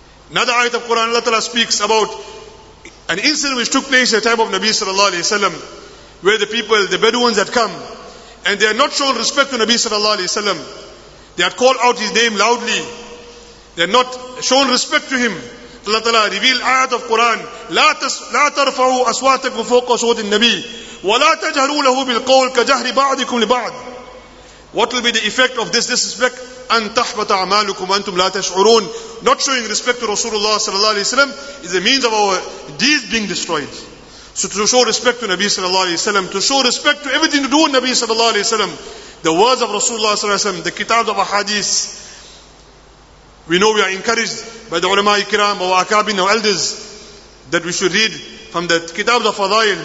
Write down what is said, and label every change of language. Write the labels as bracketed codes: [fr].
[en] Another ayat of Quran, Allah Ta'ala speaks about an incident which took place in the time of Nabi sallallahu alayhi wa sallam, where the people, the Bedouins had come, and they had not shown respect to Nabi sallallahu alayhi wa sallam. They had called out his name loudly. They had not shown respect to him. Allah Ta'ala revealed ayat of Quran, [ar] لَا تَرْفَعُوا أَصْوَاتَكُمْ فَوْقَ صَوْتِ النَّبِيِّ وَلَا تَجْهَرُوا لَهُ بِالْقَوْلِ كَجَهْرِ بَعْضِكُمْ لِبَعْضٍ. [en] What will be the effect of this disrespect? [ar] أَن تَحْبَطَ عَمَالُكُمْ أَنْتُمْ لَا تَشْعُرُونَ. [en] Not showing respect to Rasulullah sallallahu alayhi wa sallam is a means of our deeds being destroyed. So to show respect to Nabi sallallahu alayhi wa sallam, to show respect to everything to do with Nabi sallallahu alayhi wa sallam, the words of Rasulullah sallallahu alayhi wa sallam, the kitabs of ahadith, we know we are encouraged by the ulama ikram, our akabin, our elders, that we should read from the kitabs of fadail.